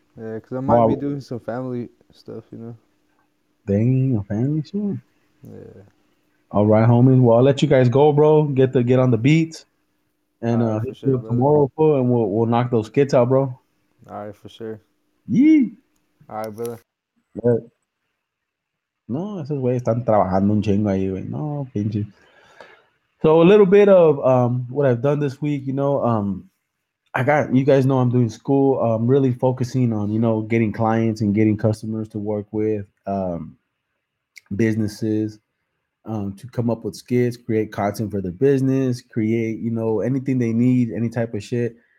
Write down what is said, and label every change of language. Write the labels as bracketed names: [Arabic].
[English] Yeah, because I might be doing some family stuff, you know. Dang, family shit? Yeah. All right, homie. Well, I'll let you guys go, bro. Get on the beats. And hit you up tomorrow, fool, and we'll knock those skits out, bro. All right, for sure. Yee. All right, brother. Yeah. [Spanish] No, esos güeyes están trabajando un chingo ahí, güey. No, pinche. [English] So a little bit of what I've done this week, you know, you guys know I'm doing school. I'm really focusing on, you know, getting clients and getting customers to work with, businesses, to come up with skits, create content for their business, create, you know, anything they need, any type of shit.